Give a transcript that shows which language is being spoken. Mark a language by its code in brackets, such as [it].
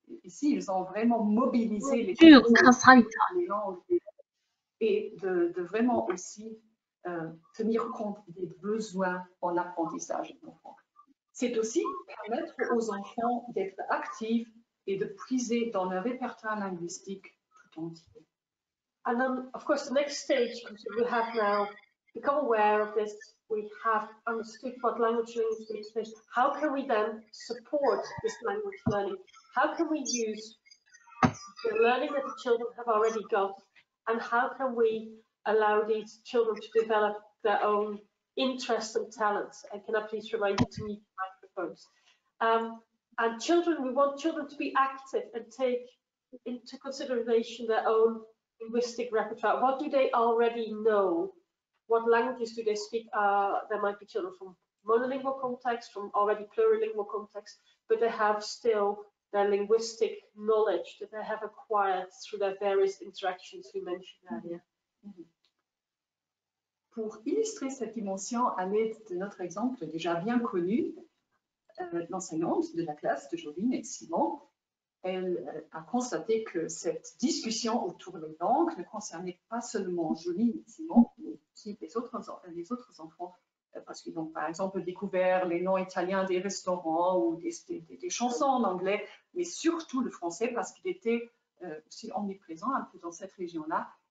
[fr] Ici, ils ont vraiment mobilisé les langues et de vraiment aussi tenir compte des besoins en apprentissage. C'est aussi permettre aux enfants d'être actifs et de puiser dans le répertoire linguistique tout entier. [en] And then, of course, the next stage, because we have now become aware of this, we have understood what language learning is. How can we then support this language learning? How can we use the learning that the children have already got? And how can we allow these children to develop their own interests and talents? And can I please remind you to mute the microphones? And children, we want children to be active and take into consideration their own linguistic repertoire. What do they already know? What languages do they speak? There might be children from monolingual contexts, from already plurilingual contexts, but they have still their linguistic knowledge that they have acquired through their various interactions we mentioned earlier. [fr] Pour illustrer cette dimension à l'aide de notre exemple déjà bien connu, l'enseignante de la classe de Jovine et Simon, elle a constaté que cette discussion autour des langues ne concernait pas seulement Jovine et Simon, mais aussi les autres enfants, parce qu'ils ont par exemple découvert les noms italiens des restaurants ou des chansons en anglais, mais surtout le français parce qu'il était aussi omniprésent un peu dans cette région-là.